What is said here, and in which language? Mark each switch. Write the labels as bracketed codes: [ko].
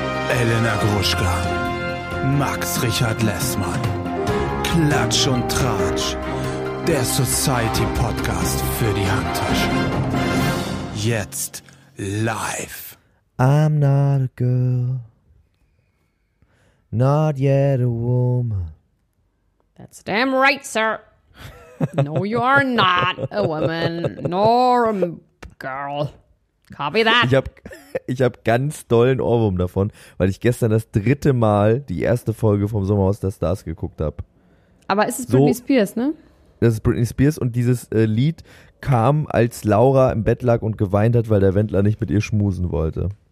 [de] Elena Gruschka, Max Richard Lessmann, Klatsch und Tratsch, der Society Podcast für die Handtasche. Jetzt live. [en] I'm not a girl, not yet a woman. That's damn right, sir. No, you are not a woman, nor a girl. Copy that. [de] Ich hab ganz doll einen Ohrwurm davon, weil ich gestern das dritte Mal die erste Folge vom Sommerhaus der Stars geguckt habe. Aber es ist so, Britney Spears, ne? Das ist Britney Spears und dieses Lied kam, als Laura im Bett lag und geweint hat, weil der Wendler nicht mit ihr schmusen wollte.